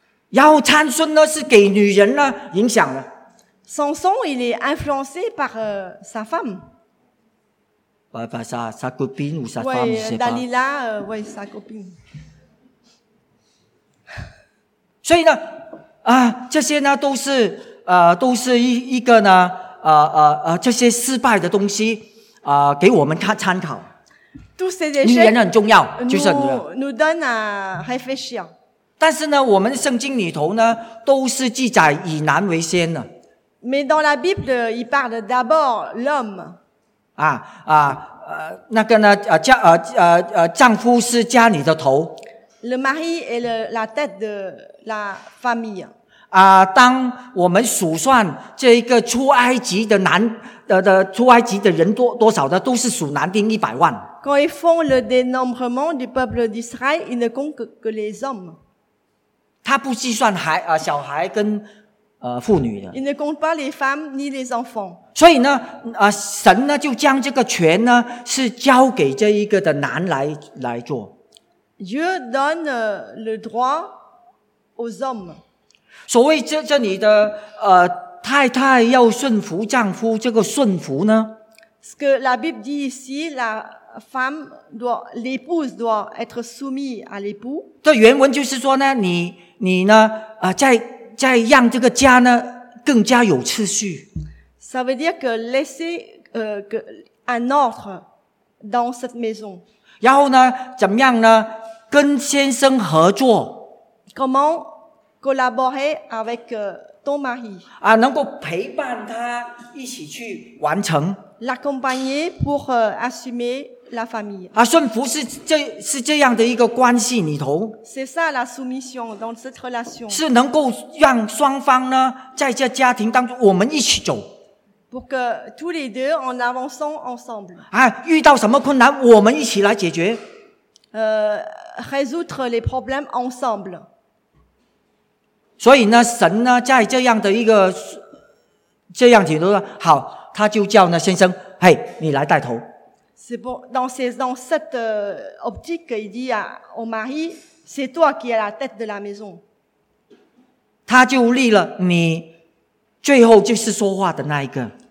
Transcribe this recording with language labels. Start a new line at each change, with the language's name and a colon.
Chinese: 要参孙呢是给女人呢影响的。
French: Samson, il est influencé par sa femme. Par sa copine ou sa femme, je sais pas. Oui, Dalila, oui, sa copine.
Chinese: 所以呢，这些呢都是都是一个呢这些失败的东西给我们参考。
French: Tous ces échecs,
Chinese: 女人很重要，就是女人。
French: Nous donne à réfléchir.
Chinese: 但是呢，我们圣经里头呢都是记载以男为先的。
French: Mais dans la Bible, il parle d'abord l'homme.
Chinese: 那个呢丈夫是家里的头。
French: Le mari est la tête de la famille.
Chinese: 当我们数算这个出埃及的男的出埃及的人多少的，都是数男丁一百万。
French: Quand ils font le dénombrement du peuple d'Israël, ils ne comptent que les hommes.
Chinese: 他不计算小孩跟妇女的。
French: Ils ne comptent pas les femmes ni les enfants.
Chinese: 所以呢，神呢就将这个权呢是交给这一个的男来做。
French: Dieu donne le droit aux hommes.
Chinese: 所谓这里的太太要顺服丈夫，这个顺服呢？
French: Ce que la Bible dit ici, la femme doit, l'épouse doit être soumise à l'époux.
Chinese: 这原文就是说呢，你呢在再让这个家呢更加有秩序。
French: Ça veut dire que laisser un ordre dans cette maison.
Chinese: 然后呢，怎么样呢？跟先生合作。
French: Comment collaborer avec ton mari？
Chinese: 啊，能够陪伴他一起去完成。
French: L'accompagner pour assumer la famille.
Chinese: 啊，顺服是这是这样的一个关系里头。
French: C'est ça la soumission dans cette relation.
Chinese: 是能够让双方呢，在这家庭当中，我们一起走。
French: Pour que tous les deux en avançant ensemble.
Chinese: 啊，遇到什么困难，我们一起来解决。
French: Résoudre les problèmes ensemble.
Chinese: 所以呢，神呢，在这样的一个这样里头呢，好。他就叫那先生，嘿、hey, ，你来带头。
French: C'est bon, dans cette optique, il dit à au mari, c'est toi qui es la tête de la maison.
Chinese: 他就立了你，最后就是说话的那一个。